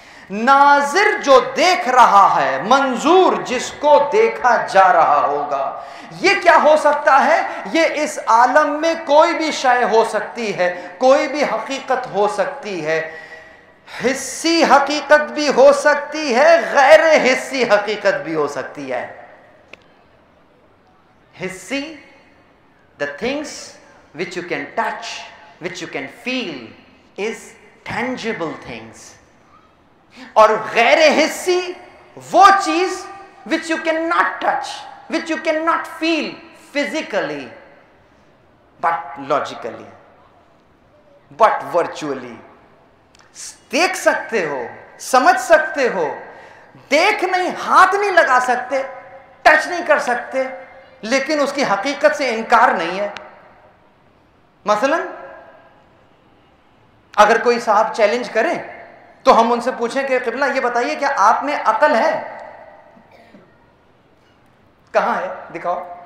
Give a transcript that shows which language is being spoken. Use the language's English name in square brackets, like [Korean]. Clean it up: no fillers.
[Urdu] ناظر جو دیکھ رہا ہے، منظور جس کو دیکھا جا رہا ہوگا. یہ کیا ہو سکتا ہے؟ یہ اس عالم میں کوئی بھی شے ہو سکتی ہے، کوئی بھی حقیقت ہو سکتی ہے. حسی حقیقت بھی ہو سکتی ہے، غیر حسی حقیقت بھی ہو سکتی ہے. [English] حسی، the things which you can touch, which you can feel, is tangible things. [Urdu] اور غیر حسی، وہ چیز [English] which you cannot touch, which you cannot feel physically, but logically, but virtually. [Urdu] دیکھ سکتے ہو، سمجھ سکتے ہو، دیکھ نہیں، ہاتھ نہیں لگا سکتے، ٹچ نہیں کر سکتے، لیکن اس کی حقیقت سے انکار نہیں ہے. مثلا اگر کوئی صاحب چیلنج کرے تو ہم ان سے پوچھیں کہ قبلہ یہ بتائیے، کیا آپ میں عقل ہے؟ کہاں ہے، دکھاؤ.